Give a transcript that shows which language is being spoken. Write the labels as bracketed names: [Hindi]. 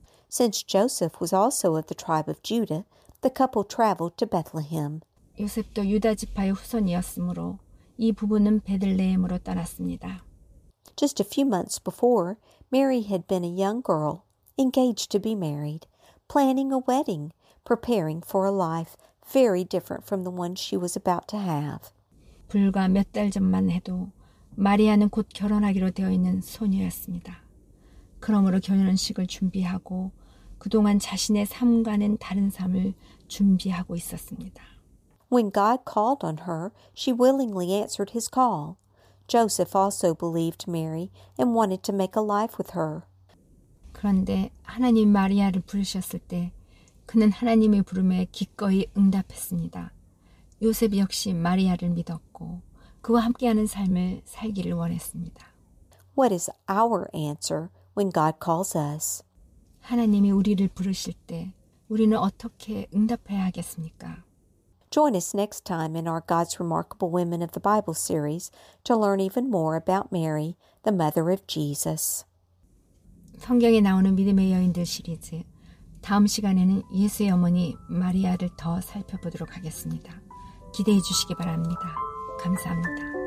[English] Since Joseph was also of the tribe of Judah, the couple traveled to Bethlehem. [Korean] 요셉도 유다 지파의 후손이었으므로 이 부부는 베들레헴으로 떠났습니다. [English] Just a few months before, Mary had been a young girl, engaged to be married, planning a wedding, preparing for a life very different from the one she was about to have. [Korean] 불과 몇 달 전만 해도 마리아는 곧 결혼하기로 되어 있는 소녀였습니다. 그러므로 결혼식을 준비하고 그동안 자신의 삶과는 다른 삶을 준비하고 있었습니다. [English] When God called on her, she willingly answered his call. Joseph also believed Mary and wanted to make a life with her. [Korean] 그런데 하나님 마리아를 부르셨을 때 그는 하나님의 부름에 기꺼이 응답했습니다. 요셉 역시 마리아를 믿었고 그와 함께하는 삶을 살기를 원했습니다. [English] What is our answer when God calls us? [Korean] 하나님이 우리를 부르실 때 우리는 어떻게 응답해야 하겠습니까? [English] Join us next time in our God's Remarkable Women of the Bible series to learn even more about Mary, the mother of Jesus. [Korean] 성경에 나오는 믿음의 여인들 시리즈 다음 시간에는 예수의 어머니 마리아를 더 살펴보도록 하겠습니다. 기대해 주시기 바랍니다. 감사합니다.